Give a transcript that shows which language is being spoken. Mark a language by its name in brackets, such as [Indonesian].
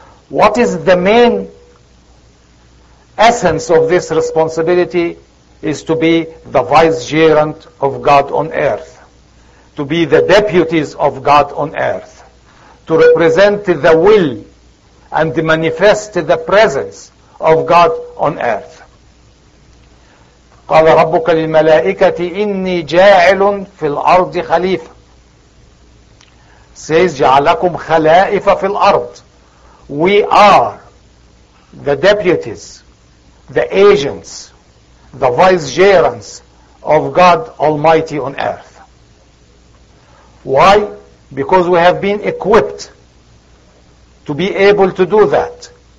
[English] What is the main essence of this responsibility is to be the vicegerent of God on earth, to be the deputies of God on earth, to represent the will and manifest the presence of God on earth. [Arabic] قال ربك للملائكة إني جاعل في الأرض خليفة. Says جعلكم خلائف في الأرض. [English] We are the deputies, the agents, the vicegerents of God Almighty on earth. Why? Because we have been equipped to be able to do that.